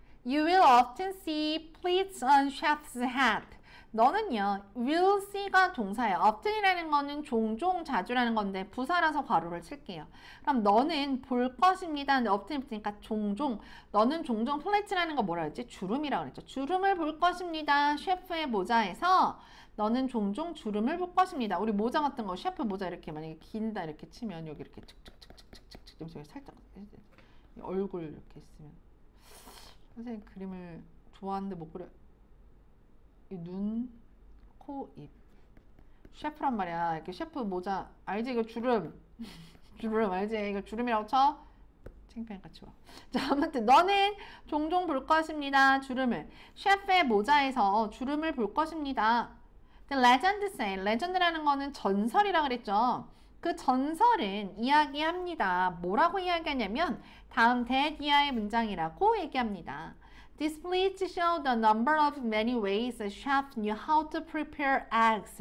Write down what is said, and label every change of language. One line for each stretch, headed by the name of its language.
English: You will often see pleats on chef's hat.
Korean: 너는요,
English: will see
Korean: 가 동사예요. often이라는 거는 종종 자주라는 건데 부사라서 괄호를 칠게요. 그럼 너는 볼 것입니다. 근데 often이 붙으니까 종종. 너는 종종 플래츠라는 거 뭐라 했지? 주름이라고 그랬죠. 주름을 볼 것입니다. 셰프의 모자에서 너는 종종 주름을 볼 것입니다. 우리 모자 같은 거 셰프 모자 이렇게 만약에 긴다 이렇게 치면 여기 이렇게 착착착착착착 좀 살짝 얼굴 이렇게 있으면 선생님 그림을 좋아하는데 못 그려. 눈, 코, 입. 셰프란 말이야. 이렇게 셰프 모자. 알지? 이거 주름. 주름, 알지? 이거 주름이라고 쳐? 창피한 것 같이 봐. 자, 아무튼 너는 종종 볼 것입니다. 주름을. 셰프의 모자에서 주름을 볼 것입니다.
English: The legend say. legend
Korean: 라는 거는 전설이라고 그랬죠. 그 전설은 이야기합니다. 뭐라고 이야기하냐면, 다음 that 이하의 문장이라고 얘기합니다.
English: This pleats show the number of many ways a chef knew how to prepare eggs.